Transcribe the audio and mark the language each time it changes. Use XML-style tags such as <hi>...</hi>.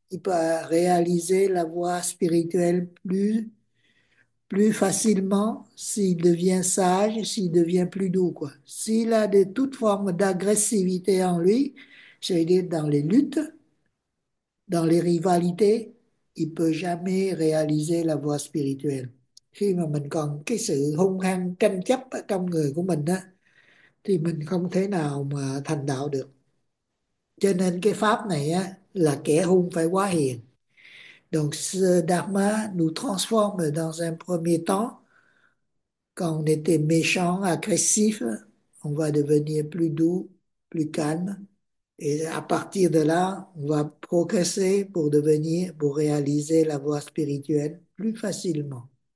<fr>Il peut réaliser la voie spirituelle plus facilement s'il devient sage, s'il devient plus doux, quoi. S'il a de toute forme d'agressivité en lui, c'est-à-dire dans les luttes, dans les rivalités, il peut jamais réaliser la voie spirituelle.</fr> <vi>Khi mà mình còn cái sự hung hăng tranh chấp ở trong người của mình á thì mình không thể nào mà thành đạo được. Cho nên cái pháp này á là kẻ hung phải quá hiền.</vi> <fr>Donc ce dharma nous transforme dans un premier temps. Quand on était méchant, agressif, on va devenir plus doux, plus calme. Et à partir de là, on va progresser pour réaliser la voie spirituelle plus facilement.</fr>